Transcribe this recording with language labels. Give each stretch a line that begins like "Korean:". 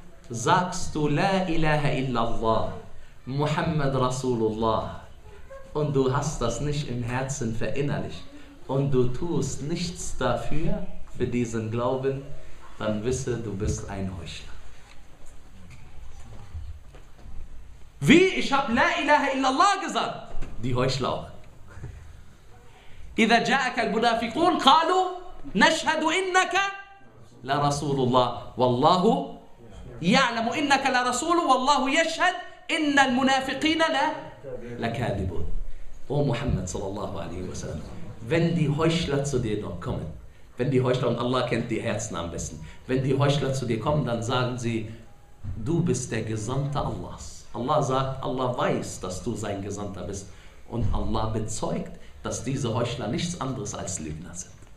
German: Sagst du
Arabic: La ilaha illallah, Muhammad Rasulullah,
German: und du hast das nicht im Herzen verinnerlicht und du tust nichts dafür, für diesen Glauben, dann wisse, du bist ein Heuchler. Wie? Ich habe
Arabic: La ilaha illallah
German: gesagt. Die Heuchler auch.
Arabic: إذا جاءك المنافقون قالوا نشهد إنك لرسول الله والله يعلم إنك لرسول والله يشهد إن المنافقين لا لكاذبون. O Muhammad sallallahu alaihi wasallam.
German: Wenn die Heuchler zu dir kommen, wenn die Heuchler, und Allah kennt die Herzen am besten, wenn die Heuchler zu dir kommen, dann sagen sie, du bist der Gesandte Allahs. Allah sagt, Allah weiß, dass du sein Gesandter bist. Und Allah bezeugt, dass diese Heuchler nichts anderes als Lügner sind.